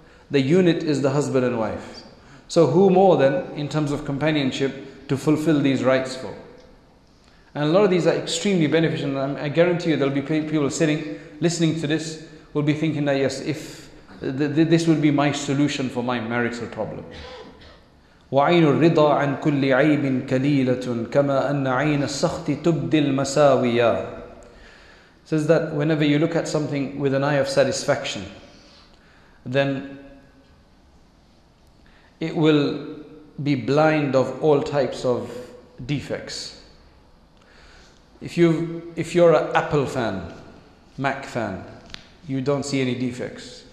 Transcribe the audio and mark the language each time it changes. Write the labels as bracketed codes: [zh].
[en] The unit is the husband and wife. So who more than, in terms of companionship, to fulfill these rights for? And a lot of these are extremely beneficial. And I guarantee you there'll be people sitting, listening to this, will be thinking that yes, if this will be my solution for my marital problem. [ar] وَعَيْنُ الرِّضَى عَنْ كُلِّ عَيْبٍ كَلِيلَةٌ كَمَا أَنَّ عَيْنَ السَّخْطِ تُبْدِي الْمَسَاوِيَا. [en] Says that whenever you look at something with an eye of satisfaction, then it will be blind of all types of defects. If you're an Apple fan, Mac fan, you don't see any defects.